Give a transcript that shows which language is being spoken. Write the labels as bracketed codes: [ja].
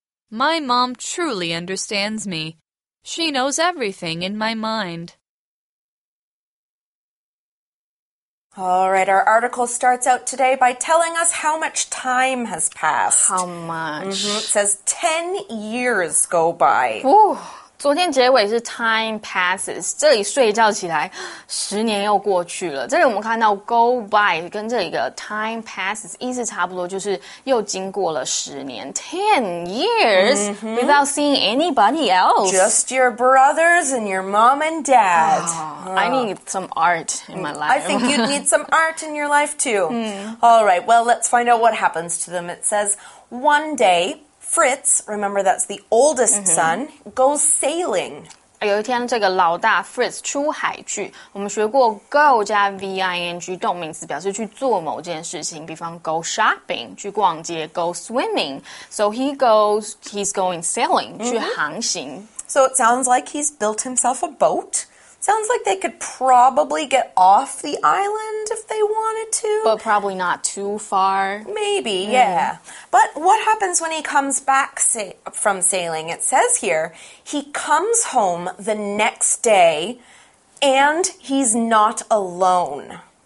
[en] My mom truly understands me. She knows everything in my mind. All right, our article starts out today by telling us how much time has passed. How much? It says 10 years go by. [zh] Ooh, 昨天结尾是 [en] time passes, [zh] 这里睡觉起来十年又过去了。这里我们看到 [en] go by [zh] 跟这个 [en] time passes [zh] 意思差不多就是又经过了十年。 [en] 10 years without seeing anybody else. Just your brothers and your mom and dad. I need some art in my life. I think you'd need some art in your life too. All right, well, let's find out what happens to them. It says, one day...Fritz, remember that's the oldest son, goes sailing. [zh] 有一天这个老大 Fritz 出海去，我们学过 go 加 ving 动名词表示去做某件事情，比方 [en] go shopping [zh] 去逛街， [en] go swimming， so he's going sailing、 [zh] mm-hmm. 去航行。 [en] So it sounds like he's built himself a boat. Sounds like they could probably get off the island if they wanted to. But probably not too far. Maybe, yeah. But what happens when he comes back from sailing? It says here, he comes home the next day and he's not alone.